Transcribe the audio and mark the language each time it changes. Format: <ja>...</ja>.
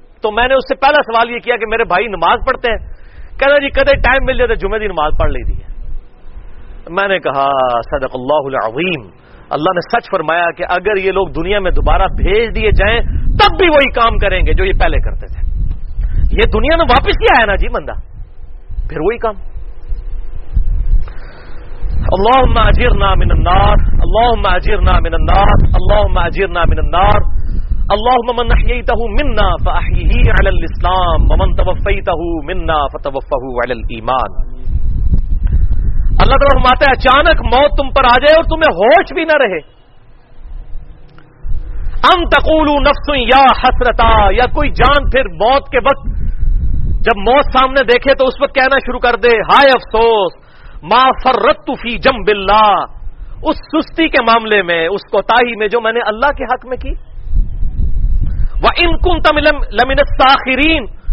<ur>تو میں نے اس سے پہلا سوال یہ کیا کہ میرے بھائی نماز پڑھتے ہیں؟ کہنا جی</ur> <pa>کدے ٹائم مل جاتا جمعہ دی نماز</pa> <ur>پڑھ لی تھی. میں نے کہا</ur> <ar>صدق اللہ العظیم,</ar> <ur>اللہ نے سچ فرمایا کہ اگر یہ لوگ دنیا میں دوبارہ بھیج دیے جائیں تب بھی وہی کام کریں گے جو یہ پہلے کرتے تھے. یہ دنیا میں واپس کیا ہے نا جی بندہ, پھر وہی کام.</ur> <ar>اللهم اجرنا من النار, اللهم اجرنا من النار, اللهم اجرنا من النار, اللهم من احييته منا فاحيه على الاسلام ومن توفيته منا فتوفه على الايمان.</ar> <ur>اللہ تعالیٰ فرماتا ہے اچانک موت تم پر آ جائے اور تمہیں ہوش بھی نہ رہے.</ur> <ar>ام تقولوا نفس یا حسرتا,</ar> <ur>یا کوئی جان پھر موت کے وقت جب موت سامنے دیکھے تو اس وقت کہنا شروع کر دے ہائے افسوس,</ur> <ar>ما فرطت فی جنب اللہ,</ar> <ur>اس سستی کے معاملے میں اس کوتاہی میں جو میں نے اللہ کے حق میں کی.</ur> <ar>وان کنت لمن الساخرین,</ar>